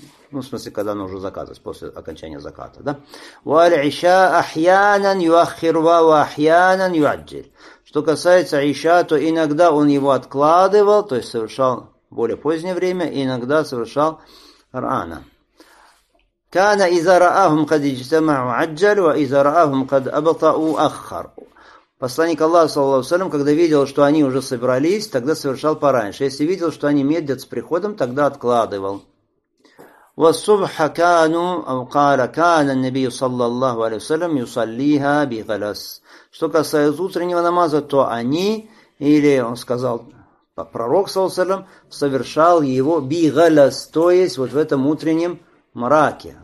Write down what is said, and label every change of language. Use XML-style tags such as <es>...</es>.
<ru>Ну, в смысле, когда оно уже закатывалось, после окончания заката, да?</ru> <ar>Валь иша ахьянан юаххирва ва ахьянан юаджиль.</ar> <ru>Что касается иша, то иногда он его откладывал, то есть совершал более позднее время, иногда совершал рано.</ru> <ar>كان إذا رآهم قد اجتمعوا عجل وإذا رآهم قد أبطأوا أخر.</ar> <ru>Посланник Аллаха, саллаллаху алейхи ва саллям, когда видел, что они уже собрались, тогда совершал пораньше. Если видел, что они медлят с приходом, тогда откладывал.</ru> <ar>وَالصُّبْحَ كَانُوا أَوْ قَالَ كَانَ النَّبِيُّ صَلَّى اللَّهُ عَلَيْهِ وَسَلَّمَ يُصَلِّيهَا بِغَلَس.</ar> <ru>Что касается утреннего намаза, то они, или он сказал, пророк, саллаллаху алейхи ва саллям, совершал его бигалас, то есть вот в этом утреннем мраке.</ru>